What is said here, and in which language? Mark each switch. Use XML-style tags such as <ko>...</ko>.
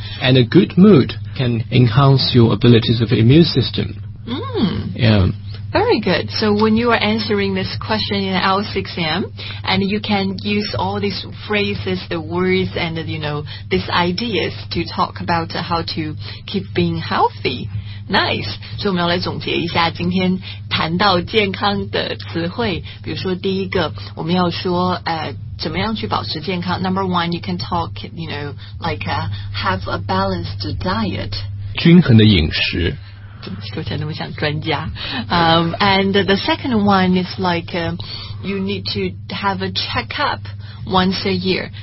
<en>And a good mood can enhance your abilities of the immune system. Yeah. Very good. So when you are answering this question in the IELTS exam, and you can use all these phrases, the words, and, these ideas to talk about how to keep being healthy. Nice.</en> <zh>所以我们要来总结一下今天谈到健康的词汇。比如说第一个我们要说怎么样去保持健康。</zh> <en>Number one, you can talk, have a balanced diet.</en> <zh>均衡的饮食。说起来那么像专家。</zh> <en>And the second one is you need to have a checkup once a year.</en>